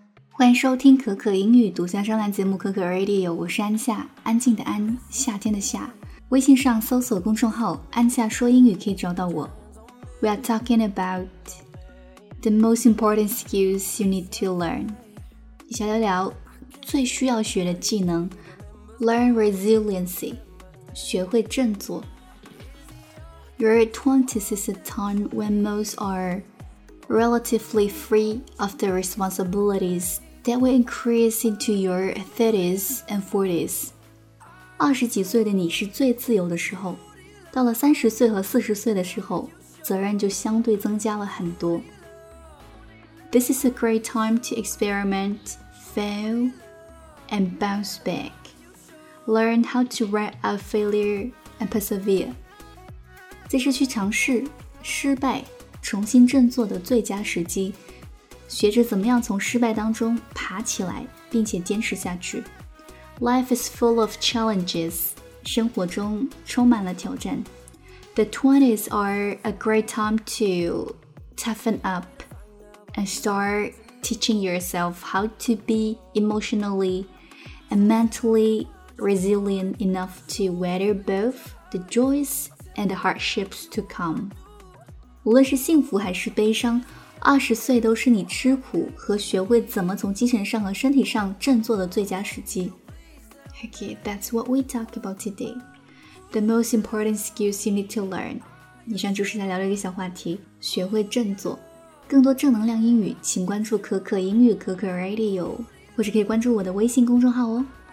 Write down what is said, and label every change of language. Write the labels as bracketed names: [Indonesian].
[Chinese] 欢迎收听可可英语独家专栏节目可可 Radio， 我是安夏，安静的安，夏天的夏。微信上搜索公众号安夏说英语可以找到我。 [English] We are talking about the most important skills you need to learn， [Chinese] 小聊聊最需要学的技能。 [English] Learn resiliency， [Chinese] 学会振作。 [English] Your 20s is a time when most areRelatively free of the responsibilities that will increase into your 30s and 40s. [Chinese] 二十几岁的你是最自由的时候，到了三十岁和四十岁的时候，责任就相对增加了很多。 [English] This is a great time to experiment, fail, and bounce back. Learn how to ride out failure and persevere. [Chinese] 这是去尝试失败重新振作的最佳时机，学着怎么样从失败当中爬起来，并且坚持下去。 [English] Life is full of challenges， [Chinese] 生活中充满了挑战。 [English] The 20s are a great time to toughen up and start teaching yourself how to be emotionally and mentally resilient enough to weather both the joys and the hardships to come. [Chinese] 无论是幸福还是悲伤，二十岁都是你吃苦和学会怎么从精神上和身体上振作的最佳时机。 [English] Okay, that's what we talk about today. The most important skills you need to learn. [Chinese] 以上就是在聊的一个小话题，学会振作。更多正能量英语，请关注可可英语可可 Radio， 或是可以关注我的微信公众号哦。